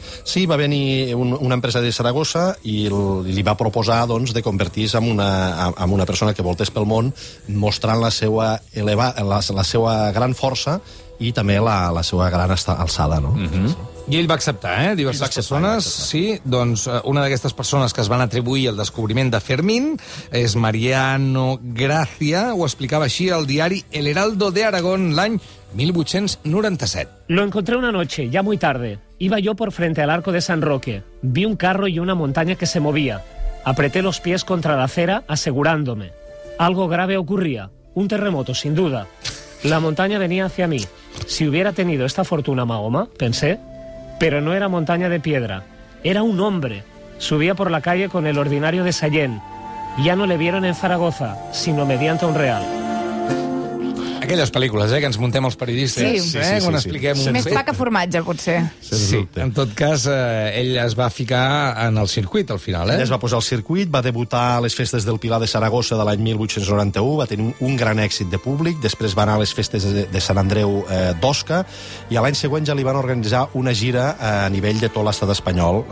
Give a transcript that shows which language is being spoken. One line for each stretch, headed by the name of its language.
Catalan: Sí, va venir un empresari de Saragossa i li va proposar, doncs, de convertir-se en una persona que voltés pel món mostrant la seva la seva gran força i també la seva gran alçada, no? Mm-hmm. I ell va acceptar, diverses persones. Sí, doncs una d'aquestes persones que es van atribuir al descobriment de Fermín és Mariano Gracia. Ho explicava així al diari El Heraldo de Aragón l'any 1897.
Spanish: Lo encontré una noche, ya muy tarde. Iba yo por frente al arco de San Roque. Vi un carro y una montaña que se movía. Apreté los pies contra la acera, asegurándome. Algo grave ocurría. Un terremoto, sin duda. La montaña venía hacia mí. Si hubiera tenido esta fortuna, Mahoma, pensé... Pero no era montaña de piedra, era un hombre. Subía por la calle con el ordinario de Sallent. Ya no le vieron en Zaragoza, sino mediante un real.
Catalan: Aquelles pel·lícules, que ens muntem els periodistes. Sí, expliquem un més pa que formatge, potser. Sí, en tot cas, ell es va ficar en el circuit, al final. Ell es va posar al circuit, va debutar a les festes del Pilar de Saragossa de l'any 1891, va tenir un gran èxit de públic, després va anar a les festes de Sant Andreu d'Osca, i a l'any següent ja li van organitzar una gira a nivell de tot l'estat espanyol.